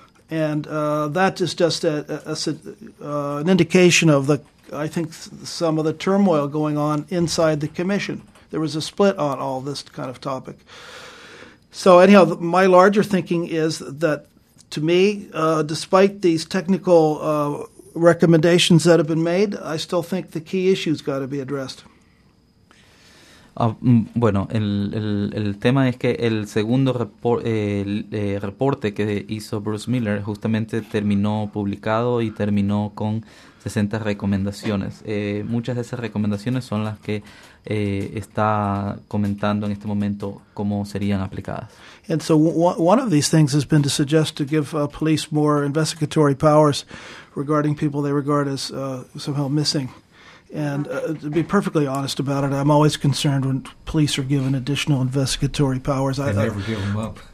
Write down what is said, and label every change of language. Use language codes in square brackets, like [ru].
[en] And that is just an indication of the, I think, some of the turmoil going on inside the commission. There was a split on all this kind of topic. So anyhow, my larger thinking is that, to me, despite these technical recommendations that have been made, I still think the key issue's got to be addressed. [es] Bueno, el tema es que el segundo reporte que hizo Bruce Miller justamente terminó publicado y terminó con 60 recomendaciones. Muchas de esas recomendaciones son las que está comentando en este momento cómo serían aplicadas. [en] And so one of these things has been to suggest to give police more investigatory powers regarding people they regard as somehow missing. And to be perfectly honest about it, I'm always concerned when police are given additional investigatory powers. They never give them up.